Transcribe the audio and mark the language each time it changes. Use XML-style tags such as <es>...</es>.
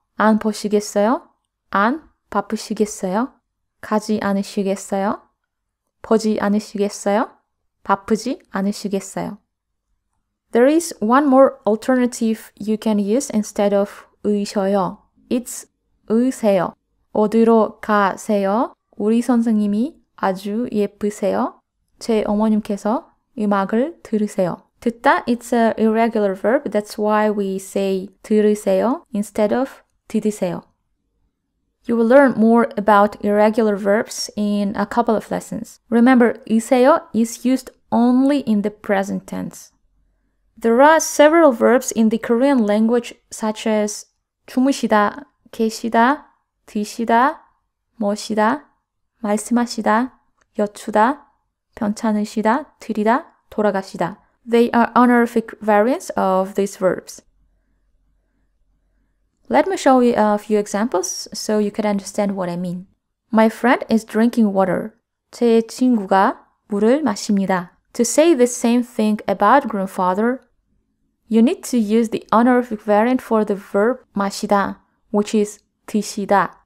<ko>안 보시겠어요? 안 바쁘시겠어요? 가지 않으시겠어요? 보지 않으시겠어요? 바쁘지 않으시겠어요?</ko> <en>There is one more alternative you can use instead of 으셔요. It's 으세요.</en> <ko>어디로 가세요? 우리 선생님이 아주 예쁘세요. 제 어머님께서 음악을 들으세요.</ko> <en>듣다, it's an irregular verb. That's why we say 들으세요 instead of 들으세요. You will learn more about irregular verbs in a couple of lessons. Remember, 으세요 is used only in the present tense. There are several verbs in the Korean language such as 주무시다, 계시다, 드시다, 모시다, 말씀하시다, 여쭈다, 변찮으시다, 드리다, 돌아가시다. They are honorific variants of these verbs. Let me show you a few examples so you can understand what I mean. My friend is drinking water.</en> <ko>제 친구가 물을 마십니다.</ko> <en>To say the same thing about grandfather, you need to use the honorific variant for the verb 마시다, which is 드시다.</en>